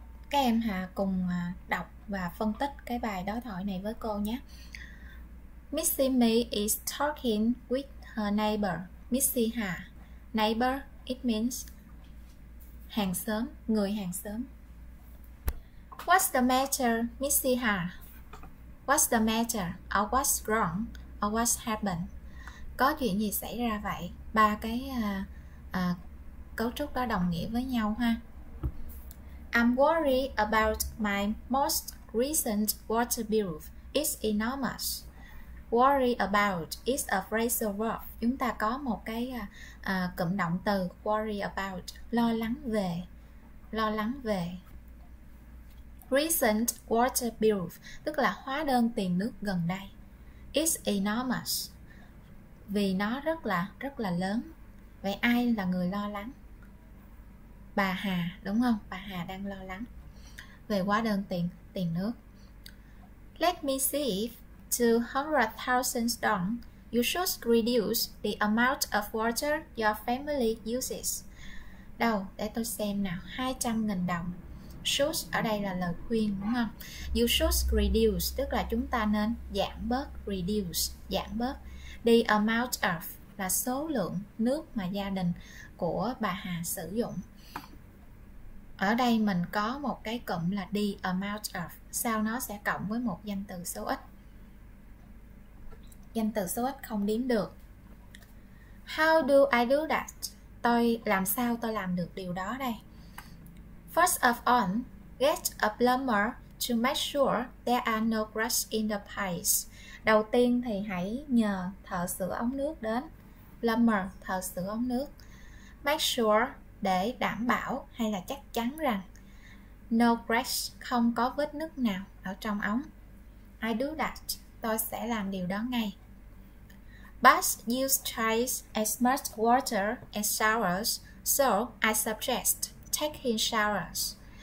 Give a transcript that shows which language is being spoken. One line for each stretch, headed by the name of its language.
Vietnamese: Các em hà cùng đọc và phân tích cái bài đối thoại này với cô nhé.
English: Missy Me is talking with her neighbor, Missy Hà. Neighbor, it means
Vietnamese: hàng xóm, người hàng xóm.
English: What's the matter, Missy Ha? What's the matter? Or what's wrong? Or what's happened?
Vietnamese: Có chuyện gì xảy ra vậy? Ba cái cấu trúc đó đồng nghĩa với nhau ha.
English: I'm worried about my most recent water bill. It's enormous. Worry about is a phrasal verb.
Vietnamese: Chúng ta có một cái cụm động từ worry about, lo lắng về, lo lắng về.
English: Recent water bill
Vietnamese: tức là hóa đơn tiền nước gần đây.
English: Is enormous
Vietnamese: vì nó rất là lớn. Vậy ai là người lo lắng? Bà Hà, đúng không? Bà Hà đang lo lắng về hóa đơn tiền tiền nước.
English: Let me see. 200,000 dong, you should reduce the amount of water your family uses.
Vietnamese: Đâu, để tôi xem nào, 200,000 đồng. Should ở đây là lời khuyên đúng không?
English: You should reduce
Vietnamese: tức là chúng ta nên giảm bớt, reduce, giảm bớt the amount of là số lượng nước mà gia đình của bà Hà sử dụng. Ở đây mình có một cái cụm là the amount of, sau nó sẽ cộng với một danh từ số ít. Danh từ số ít không đếm được.
English: How do I do that?
Vietnamese: Tôi làm sao tôi làm được điều đó đây?
English: First of all, get a plumber to make sure there are no cracks in the pipes.
Vietnamese: Đầu tiên thì hãy nhờ thợ sửa ống nước đến. Plumber, thợ sửa ống nước. Make sure, để đảm bảo hay là chắc chắn rằng no cracks, không có vết nứt nào ở trong ống.
English: I do that.
Vietnamese: Tôi sẽ làm điều đó ngay.
English: But you use as much water as showers, so I suggest taking showers.